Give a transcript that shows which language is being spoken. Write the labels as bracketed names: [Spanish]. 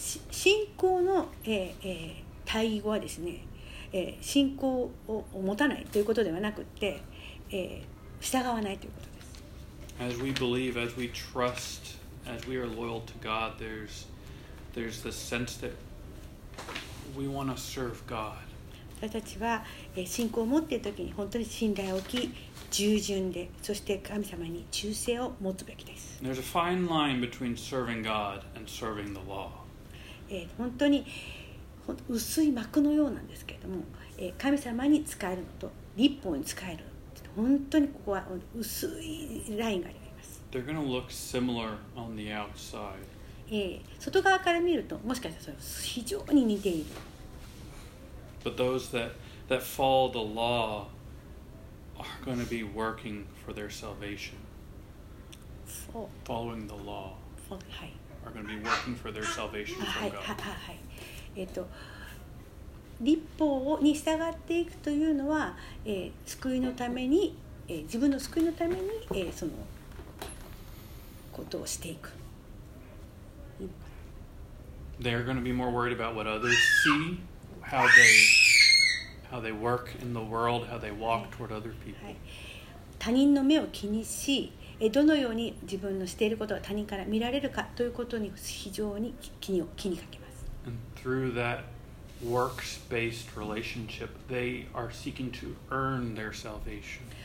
[Japanese] 信仰の、対義語はですね。信仰を持たないということではなくて、従わないということです。 [English] As we believe, as we trust, as we are loyal to God, there's this sense that we want to serve God. [Japanese] 私たちは、信仰を持っているときに本当に信頼を置き、従順で、そして神様に忠誠を持つべきです。 [English] There's a fine line between serving God and serving the law. [Japanese] 本当に薄い膜のようなんですけれども、神様に使えるのと律法に使える、本当にここは薄いラインがあります。 [English] They're going to look similar on the outside. [Japanese] 外側から見ると、もしかしたらそれ非常に似ている。 [English] But those that follow the law are going to be working for their salvation. Following the law are going to be working for their salvation from God. [Japanese] 律法に従っていくというのは、救いのために、自分の救いのために、そのことをしていく。 [English] They're going to be more worried about what others see, how they work in the world, how they walk toward other people. [Japanese] 他人の目を気にし、どのように自分のしていることが他人から見られるかということに非常に気にかけます。 [English] And through that works-based relationship, they are seeking to earn their salvation.